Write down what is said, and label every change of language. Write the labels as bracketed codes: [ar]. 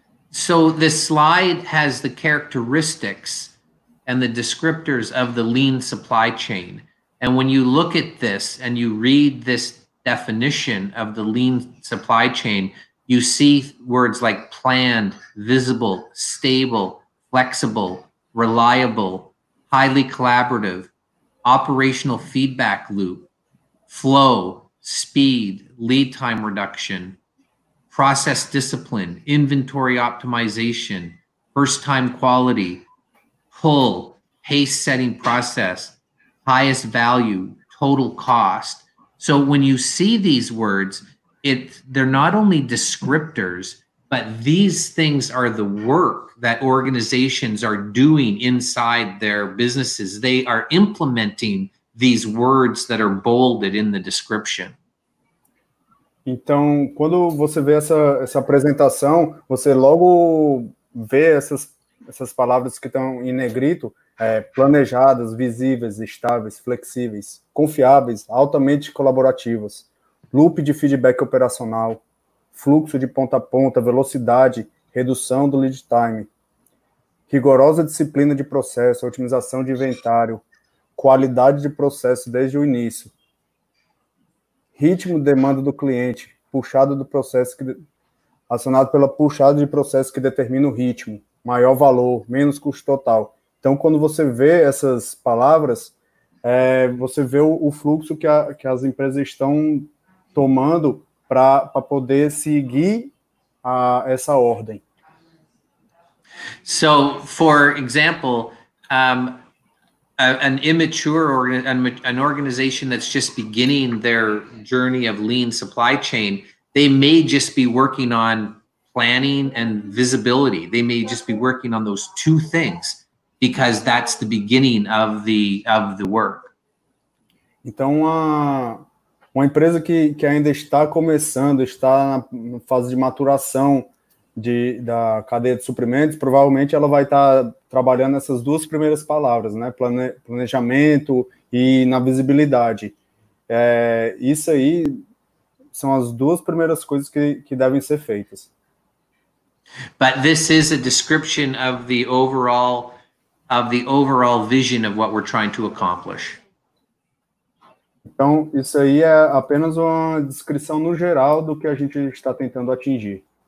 [en] So this slide has the characteristics and the descriptors of the lean supply chain. And when you look at this and you read this definition of the lean supply chain, you see words like planned, visible, stable, flexible, reliable, highly collaborative, operational feedback loop, flow, speed, lead time reduction, process discipline, inventory optimization, first-time quality, pull, pace-setting process, highest value, total cost. So when you see these words, they're not only descriptors, but these things are the work that organizations are doing inside their businesses. They are implementing these words that are bolded in the description. [pt] Então, quando você vê essa apresentação, você logo vê essas palavras que estão em negrito, planejadas, visíveis, estáveis, flexíveis, confiáveis, altamente colaborativas, loop de feedback operacional, fluxo de ponta a ponta, velocidade, redução do lead time, rigorosa disciplina de processo, otimização de inventário, qualidade de processo desde o início, ritmo de demanda do cliente, puxado do processo que acionado pela puxada de processo que determina o ritmo, maior valor, menos custo total. Então, quando você vê essas palavras, você vê o fluxo que as empresas estão tomando para poder seguir essa ordem. [en] So, for example, an immature or an organization that's just beginning their journey of lean supply chain, they may just be working on planning and visibility. They may just be working on those two things because that's the beginning of the work. [pt] Então, uma empresa que ainda está começando, está na fase de maturação da cadeia de suprimentos, provavelmente ela vai estar trabalhando essas duas primeiras palavras, né? Planejamento e na visibilidade. Isso aí são as duas primeiras coisas que devem ser feitas. [en] But this is a description of the overall vision of what we're trying to accomplish. [pt] Então, isso aí é apenas uma descrição no geral do que a gente está tentando atingir.